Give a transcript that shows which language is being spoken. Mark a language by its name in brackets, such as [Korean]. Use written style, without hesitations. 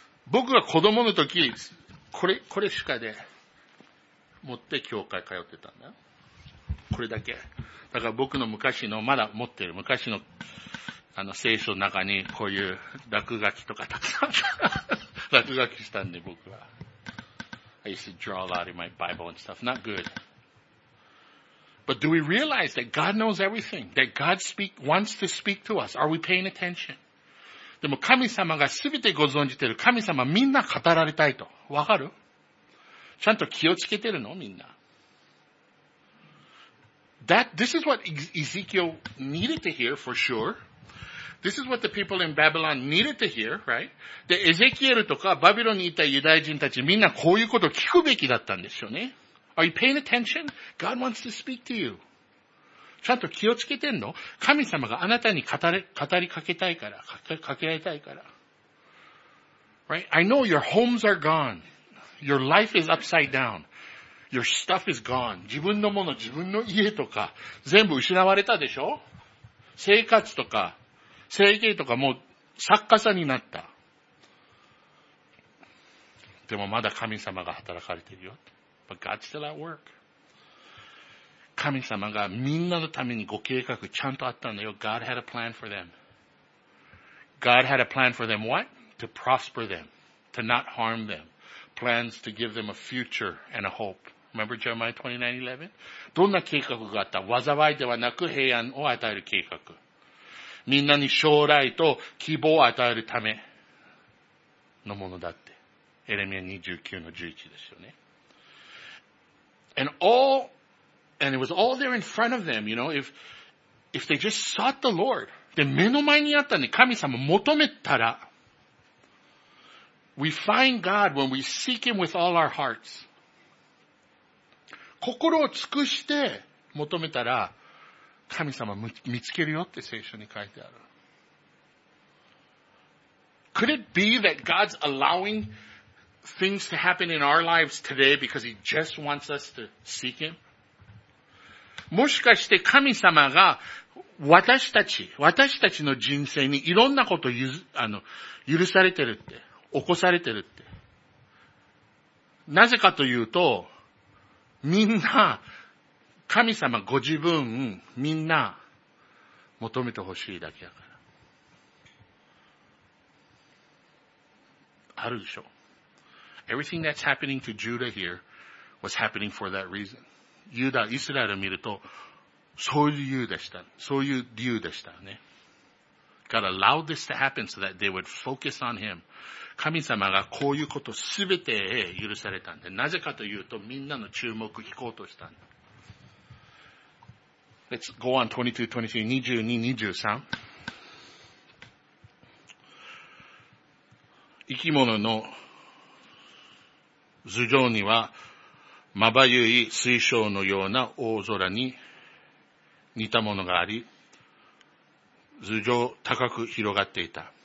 [Japanese] 僕が子供の時、これしかで持って教会通ってたんだよ。これだけ。だから僕の昔の、まだ持ってる昔の、あの聖書の中にこういう落書きとかたくさん、落書きしたんで僕は。 [English] I used to draw a lot in my Bible and stuff. Not good. But do we realize that God knows everything? That God wants to speak to us? Are we paying attention? [Japanese] でも神様が全てご存じてる。神様みんな語られたいと。わかる？ちゃんと気をつけてるの？みんな。 [English] This is what Ezekiel needed to hear for sure. This is what the people in Babylon needed to hear, right? [Japanese] で、エゼキエルとかバビロンにいたユダヤ人たちみんなこういうことを聞くべきだったんですよね。 [English] Are you paying attention? God wants to speak to you. [Japanese] ちゃんと気をつけてんの？神様があなたに語りかけたいから、かけられたいから。 [English] Right? I know your homes are gone. Your life is upside down. Your stuff is gone. [Japanese] 自分のもの、自分の家とか、全部失われたでしょ？生活とか、生計とか、もう、作家さんになった。でもまだ神様が働かれてるよ。 [English] But God's still at work. [Japanese] 神様がみんなのためにご計画ちゃんとあったんだよ。 [English] God had a plan for them. God had a plan for them what? To prosper them. To not harm them. Plans to give them a future and a hope. Remember Jeremiah 29:11? [Japanese] どんな計画があった？災いではなく平安を与える計画。みんなに将来と希望を与えるためのものだって。エレミア29:11ですよね。 [English] And it was all there in front of them, you know, if they just sought the Lord. [Japanese] で、目の前にあったね。神様求めたら。 [English] We find God when we seek Him with all our hearts. [Japanese] 心を尽くして求めたら神様見つけるよって聖書に書いてある。 [English] Could it be that God's allowing things to happen in our lives today because He just wants us to seek Him? [Japanese] もしかして神様が私たちの人生にいろんなことを許されてるって、起こされてるって。なぜかというと、みんな、神様ご自分みんな求めてほしいだけだから。あるでしょ。 [English] Everything that's happening to Judah here was happening for that reason. [Japanese] ユダ、イスラエルを見ると、そういう理由でした。そういう理由でしたね。 [English] God allowed this to happen so that they would focus on Him. [Japanese] 神様がこういうことすべてへ許されたんで、なぜかというとみんなの注目を引こうとしたんだ。 [English] Let's go on 22, 23, 22, 23. [Japanese] 生き物の頭上には、まばゆい水晶のような大空に似たものがあり、頭上高く広がっていた。